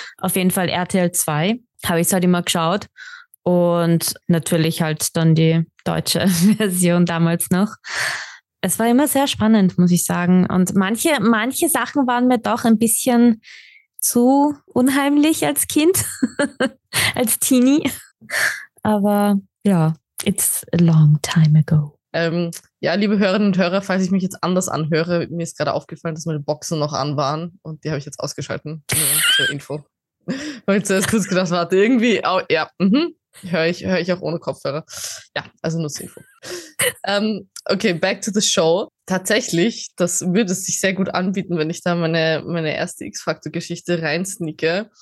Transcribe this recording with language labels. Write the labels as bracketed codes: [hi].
[de] Auf jeden Fall RTL 2 habe ich es halt immer geschaut und natürlich halt dann die deutsche Version damals noch. Es war immer sehr spannend, muss ich sagen. Und manche Sachen waren mir doch ein bisschen zu unheimlich als Kind, als Teenie. Aber ja, [en] it's a long time ago. [de] Ja, liebe Hörerinnen und Hörer, falls ich mich jetzt anders anhöre, mir ist gerade aufgefallen, dass meine Boxen noch an waren und die habe ich jetzt ausgeschalten, zur Info. Weil ich zuerst kurz gedacht habe, irgendwie, oh, ja, hör ich auch ohne Kopfhörer. Ja, also nur zur Info. Okay, [en] back to the show. [de] Tatsächlich, das würde sich sehr gut anbieten, wenn ich da meine erste X-Factor-Geschichte reinsneake.